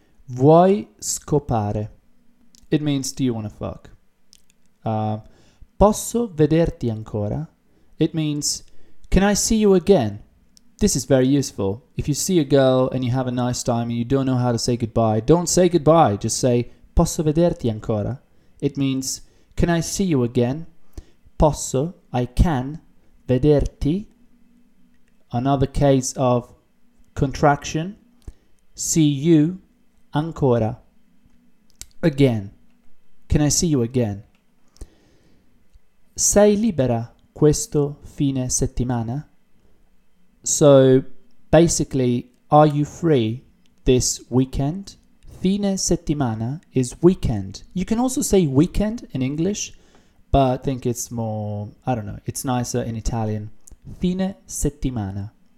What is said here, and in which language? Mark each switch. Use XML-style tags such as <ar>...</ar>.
<it>Vuoi scopare?</it> <en>It means, do you want to fuck?</en> <it>Posso vederti ancora?</it> <en>It means, can I see you again? This is very useful. If you see a girl and you have a nice time and you don't know how to say goodbye, don't say goodbye. Just say,</en> <it>posso vederti ancora?</it> <en>It means, can I see you again? Posso, I can, vederti. Another case of contraction. See you ancora. Again. Can I see you again?</en> <it>Sei libera questo fine settimana?</it> <en>So, basically, are you free this weekend? Fine settimana is weekend. You can also say weekend in English, but I think it's more, I don't know, it's nicer in Italian. Fine settimana.</en>